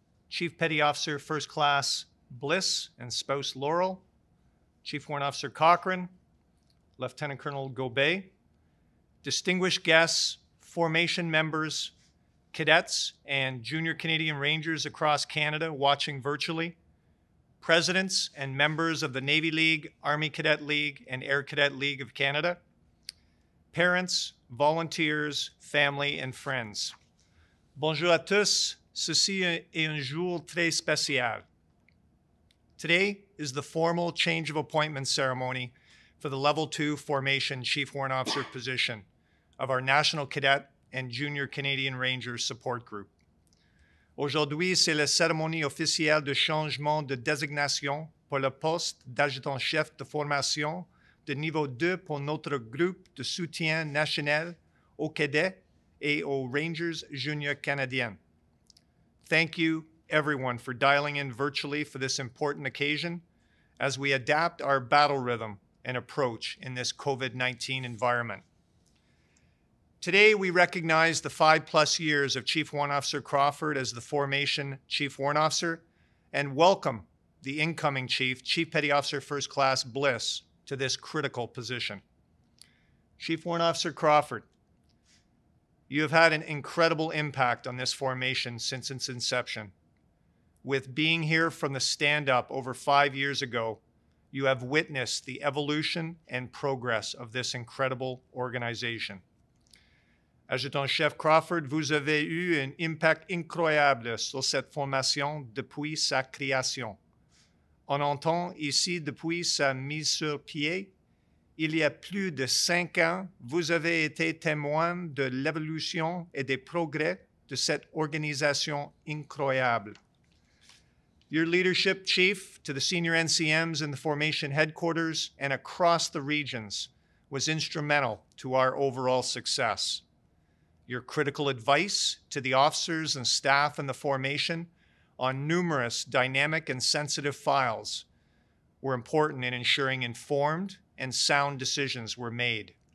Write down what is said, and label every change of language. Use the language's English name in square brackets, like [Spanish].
[English] Chief Petty Officer First Class Bliss and Spouse Laurel, Chief Warrant Officer Cochrane, Lieutenant Colonel Gobet, distinguished guests, formation members, cadets, and junior Canadian Rangers across Canada watching virtually, presidents and members of the Navy League, Army Cadet League, and Air Cadet League of Canada, parents, volunteers, family, and friends. [French] Bonjour à tous, ceci est un jour très spécial. [English] Today is the formal change of appointment ceremony for the Level 2 Formation Chief Warrant Officer position of our National Cadet and Junior Canadian Rangers Support Group. [French] Aujourd'hui, c'est la cérémonie officielle de changement de désignation pour le poste d'adjudant-chef de formation de niveau 2 pour notre groupe de soutien national aux cadets et aux Rangers junior canadiens. [English] Thank you, everyone, for dialing in virtually for this important occasion as we adapt our battle rhythm and approach in this COVID-19 environment. Today, we recognize the 5+ years of Chief Warrant Officer Crawford as the formation Chief Warrant Officer and welcome the incoming Chief, Chief Petty Officer First Class Bliss, to this critical position. Chief Warrant Officer Crawford, you have had an incredible impact on this formation since its inception. With being here from the stand-up over 5 years ago, you have witnessed the evolution and progress of this incredible organization. [French] Adjudant-chef Crawford, vous avez eu un impact incroyable sur cette formation depuis sa création. On entend ici depuis sa mise sur pied, il y a plus de 5 ans, vous avez été témoin de l'évolution et des progrès de cette organisation incroyable. [English] Your leadership, Chief, to the senior NCMs in the formation headquarters and across the regions was instrumental to our overall success. Your critical advice to the officers and staff in the formation on numerous dynamic and sensitive files were important in ensuring informed and sound decisions were made.